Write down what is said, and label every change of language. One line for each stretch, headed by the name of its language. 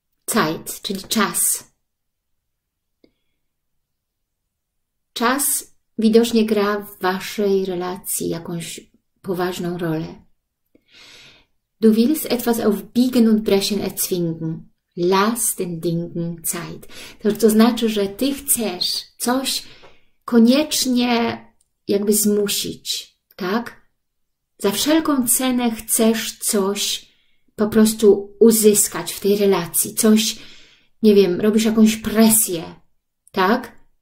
Polish: Zeit, czyli czas. Czas widocznie gra w Waszej relacji jakąś poważną rolę.
German: Du willst etwas aufbiegen und brechen erzwingen. Lass den Dingen Zeit.
Polish: To znaczy, że Ty chcesz coś koniecznie jakby zmusić, tak? Za wszelką cenę chcesz coś po prostu uzyskać w tej relacji. Coś, nie wiem, robisz jakąś presję, tak?